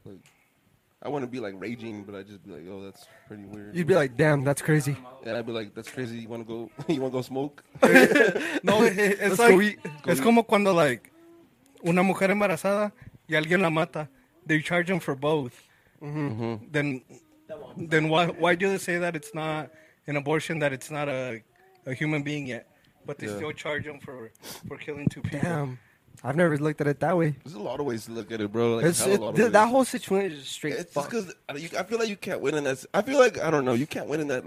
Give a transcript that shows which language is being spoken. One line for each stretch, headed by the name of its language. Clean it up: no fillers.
English: Like, I wouldn't be like raging, but I'd just be like, oh, that's pretty weird. You'd be like, damn, that's crazy. Yeah, I'd be like, that's crazy. You want to go you wanna go smoke? No, it's like...
Spanish: Es como cuando, like, una mujer embarazada y alguien la mata.
English: They charge them for both. Mm-hmm. Then why do they say that it's not an abortion, that it's not a human being yet, but they still charge them for killing two people? Damn, I've never looked at it that way. There's a lot of ways to look at it, bro. Like, that whole situation is straight. It's just because I feel like you can't win in that. I feel like I don't know. You can't win in that.